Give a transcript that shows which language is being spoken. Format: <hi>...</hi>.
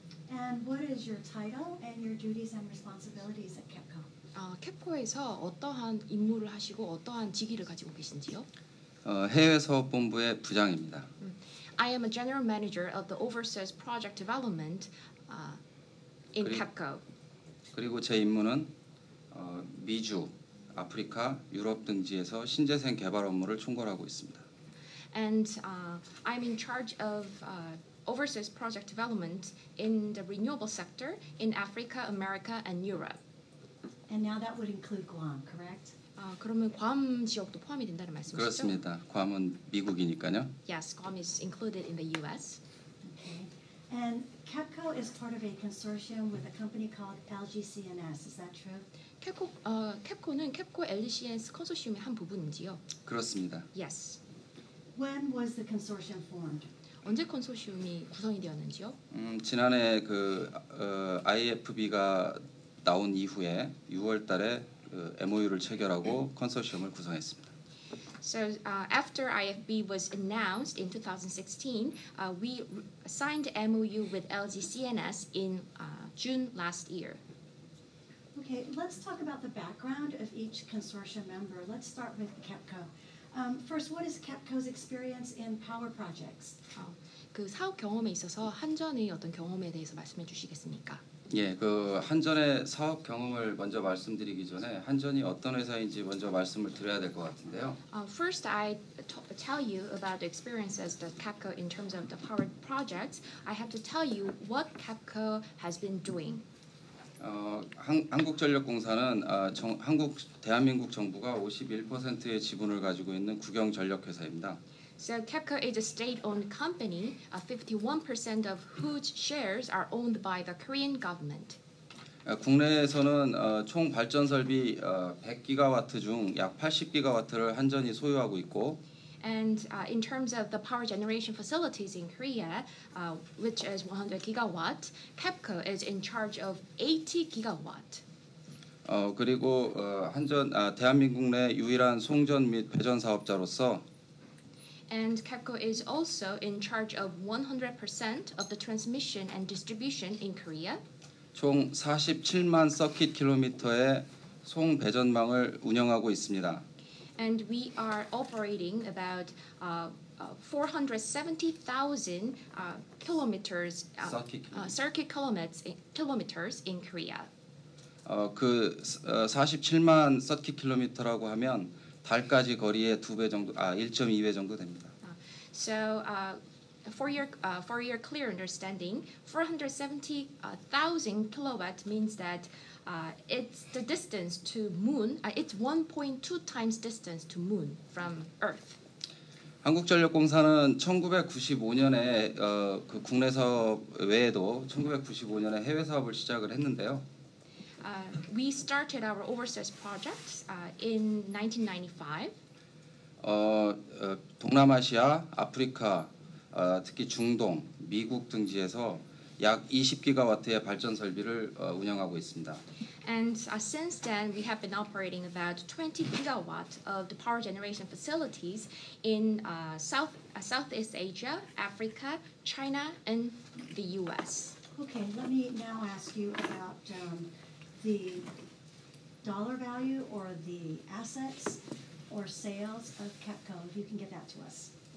<en>And what is your title and your duties and responsibilities at KEPCO?</en> <ko>캡코에서 어떠한 임무를 하시고 어떠한 직위를 가지고 계신지요? 해외 사업 본부의 부장입니다.</ko> <en>I am a general manager of the overseas project development in KEPCO.</en> <ko>그리고 제 임무는 미주, 아프리카, 유럽 등지에서 신재생 개발 업무를 총괄하고 있습니다.</ko> <en>And I'm in charge of overseas project development in the renewable sector in Africa, America, and Europe. And now that would include Guam, correct?</en> <ko>그러면 괌 지역도 포함이 된다는 말씀이시죠? 그렇습니다. 괌은 미국이니까요.</ko> <en>Yes, Guam is included in the U.S. Okay. And KEPCO is part of a consortium with a company called LGCNS. Is that true?</en> <ko>캡코는 캡코 LGCNS 컨소시엄의 한 부분인지요? 그렇습니다.</ko> <en>Yes. When was the consortium formed?</en> <ko>언제 컨소시엄이 구성이 되었는지요? 지난해 그 IFB가 나온 이후에 6월 달에 MOU를 체결하고 컨소시엄을 구성했습니다.</ko> <en>So after IFB was announced in 2016, we signed MOU with LGCNS in June last year. Okay, let's talk about the background of each consortium member. Let's start with KEPCO. First, what is KEPCO's experience in power projects?</en> <ko>그 사업 경험에 있어서 한전의 어떤 경험에 대해서 말씀해 주시겠습니까? 예, 그 한전의 사업 경험을 먼저 말씀드리기 전에 한전이 어떤 회사인지 먼저 말씀을 드려야 될 것 같은데요.</ko> <en>First, I tell you about the experiences that KEPCO in terms of the power projects. I have to tell you what KEPCO has been doing.</en> <ko>한국전력공사는 한국 대한민국 정부가 51%의 지분을 가지고 있는 국영 전력 회사입니다.</ko> <en>So KEPCO is a state-owned company, 51% of whose shares are owned by the Korean government.</en> <ko>국내에서는 총 발전 설비 100기가와트 중 약 80기가와트를 한전이 소유하고 있고.</ko> <en>And in terms of the power generation facilities in Korea, which is 100 gigawatt, KEPCO is in charge of 80 gigawatt.</en> <ko>그리고 한전 대한민국 내 유일한 송전 및 배전 사업자로서.</ko> <en>And KEPCO is also in charge of 100% of the transmission and distribution in Korea.</en> <ko>총 47만 서킷 킬로미터의 송 배전망을 운영하고 있습니다.</ko> <en>And we are operating about 470,000 kilometers circuit kilometers in Korea.</en> <ko>그 47만 서킷 킬로미터라고 하면 달까지 거리의 두 배 정도 1.2배 정도 됩니다.</ko> <en>So for your clear understanding, 470,000 kilowatt means that it's the distance to moon. It's 1.2 times distance to moon from Earth.</en> <ko>한국전력공사는 1995년에 그 국내 사업 외에도 1995년에 해외 사업을 시작을 했는데요.</ko> <en>We started our overseas projects in 1995.</en> <ko>동남아시아, 아프리카, 특히 중동, 미국 등지에서 약 20기가와트의 발전 설비를 운영하고 있습니다.</ko> <en>And since then, we have been operating about 20 gigawatt of the power generation facilities in Southeast Asia, Africa, China, and the U.S. Okay, let me now ask you about the dollar value or the assets or sales of KEPCO, if you can give that to us.</en>